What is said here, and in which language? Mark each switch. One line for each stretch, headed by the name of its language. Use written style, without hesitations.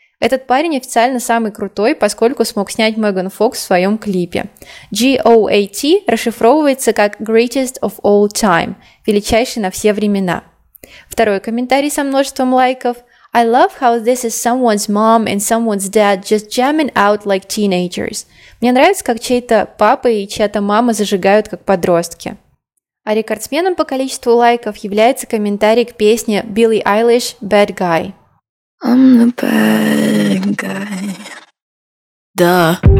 Russian: Этот парень официально самый крутой, поскольку смог снять Меган Фокс в своем клипе. G-O-A-T расшифровывается как
English: Greatest of All Time
Russian: – величайший на все времена. Второй комментарий со множеством лайков.
English: I love how this is someone's mom and someone's dad just jamming out like teenagers.
Russian: Мне нравится, как чей-то папа и чья-то мама зажигают как подростки. А рекордсменом по количеству лайков является комментарий к песне Billie Eilish – Bad Guy.
English: I'm the bad guy. Duh.